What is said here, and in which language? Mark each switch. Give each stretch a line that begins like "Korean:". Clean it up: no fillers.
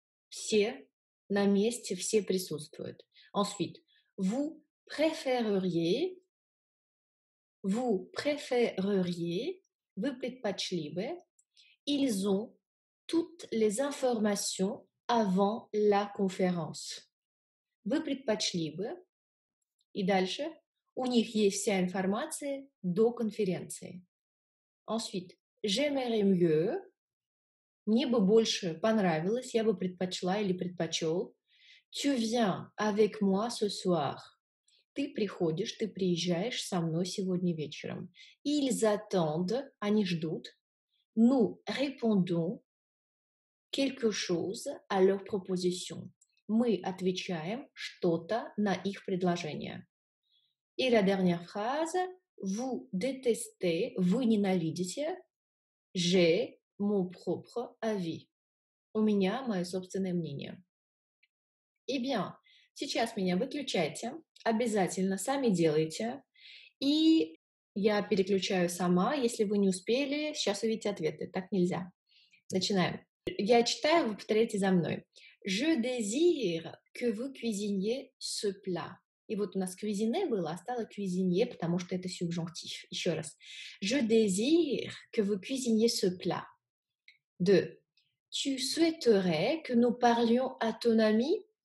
Russian: Все на месте, все присутствуют.
French: Ensuite, vous préféreriez,
Russian: вы предпочли бы,
French: ils ont toutes les informations avant la conférence.
Russian: Вы предпочли бы, и дальше, у них есть вся информация до конференции. Ensuite,
French: j'aimerais mieux,
Russian: мне бы больше понравилось, я бы предпочла или предпочел.
French: Tu viens avec moi ce soir.
Russian: Ты приходишь, ты приезжаешь со мной сегодня вечером.
French: Ils attendent,
Russian: они ждут.
French: Nous répondons quelque chose à leur proposition.
Russian: Мы отвечаем что-то на их предложение.
French: И la dernière phrase. Vous détestez,
Russian: вы ненавидите.
French: J'ai mon propre avis.
Russian: У меня мое собственное мнение.
French: Eh bien,
Russian: сейчас меня выключайте. Обязательно сами делайте. И я переключаю сама. Если вы не успели, сейчас увидите ответы. Так нельзя. Начинаем. Я читаю, вы повторяете за мной.
French: Je désire que vous cuisiniez ce plat.
Russian: И вот у нас cuisiner было, а стало cuisinier, потому что это субжонктив. Еще раз.
French: Je désire que vous cuisiniez ce plat. 2. Tu souhaiterais que nous parlions à ton ami?